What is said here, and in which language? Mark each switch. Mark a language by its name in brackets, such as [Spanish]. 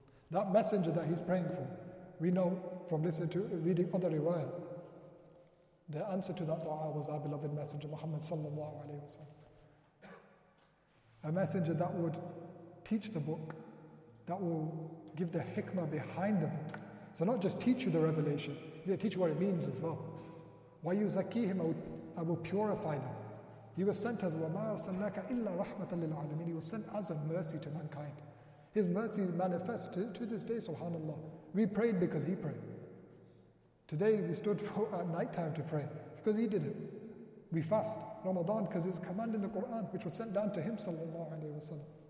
[English] That messenger that he's praying for, we know from listening to reading other riwayat, the answer to that dua was our beloved messenger Muhammad sallallahu alayhi wa sallam. A messenger that would teach the book, that will give the hikmah behind the book. So not just teach you the revelation, he'll teach you what it means as well. [Arabic] وَيُزَكِّيهِمْ [English] I will purify them. He was sent as [Arabic] وَمَا أَرْسَلْنَاكَ إِلَّا رَحْمَةً لِلْعَالَمِينَ. [English] He was sent as a mercy to mankind. His mercy manifests to this day, subhanAllah. We prayed because he prayed. Today we stood for at night time to pray. It's because he did it. We fast Ramadan because it's a command in the Quran which was sent down to him sallallahu alayhi wa sallam.